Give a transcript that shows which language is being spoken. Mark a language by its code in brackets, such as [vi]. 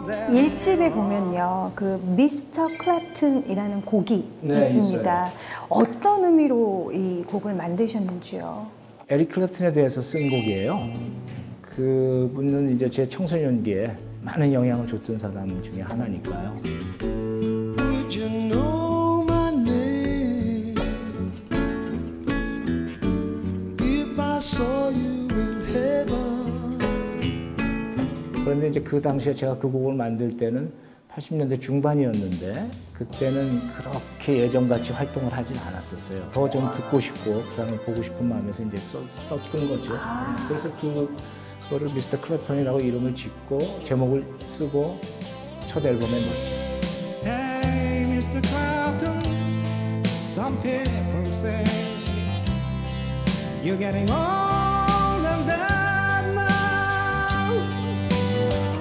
[ko] 1집에 보면요, 그 미스터 클랩튼이라는 곡이 네, 있습니다. 있어요. 어떤 의미로 이 곡을 만드셨는지요? 에릭 클랩튼에 대해서 쓴 곡이에요. 그분은 이제 제 청소년기에 많은 영향을 줬던 사람 중에 하나니까요. [en] Would you know my name if I saw you in heaven? [ko] 그런데 이제 그 당시에 제가 그 곡을 만들 때는 80년대 중반이었는데 그때는 그렇게 예전같이 활동을 하진 않았었어요. 더 좀 듣고 싶고 그 사람을 보고 싶은 마음에서 이제 썼던 거죠. 그래서 그거를 미스터 클랩턴이라고 이름을 짓고 제목을 쓰고 첫 앨범에 넣었죠. [en] Hey, Mr. Clapton, some people say you're getting old and bad now.